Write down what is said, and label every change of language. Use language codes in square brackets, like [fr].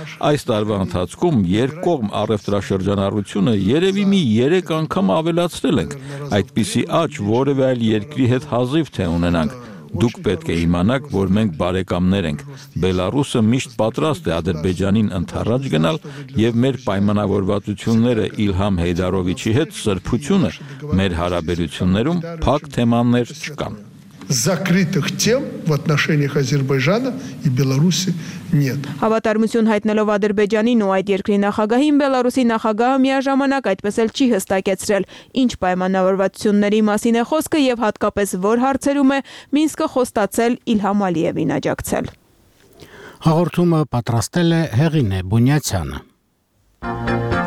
[hy] Այս տարվա ընթացքում երկկողմ առևտրաշրջանառությունը երևի մի 3 անգամ ավելացրել ենք, այդպիսի աճ որևէ այլ երկրի հետ հազիվ թե ունենանք։ Դուք պետք է իմանաք, որ մենք բարեկամներ ենք։ Բելարուսը միշտ պատրաստ է Ադրբեջանին ընդառաջ գնալ, եւ մեր պայմանավորվածությունները Իլհամ Հեյդարովիչի հետ սրբությունը մեր հարաբերություններում փակ թեմաներ չկան։ [ru] Закрытых тем в отношениях Азербайджана и Беларуси нет. [hy] Հավատարմություն հայտնելով Ադրբեջանին ու այդ երկրի նախագահին, Բելարուսի նախագահը միաժամանակ այդպես էլ չի հստակեցրել, ինչ պայմանավորվածությունների մասին է խոսքը եւ հատկապես որ հարցերում է Մինսկը խոստացել Իլհամ Ալիևին աջակցել։ Հաղորդումը պատրաստել է Հեղինե Բունյացյանը։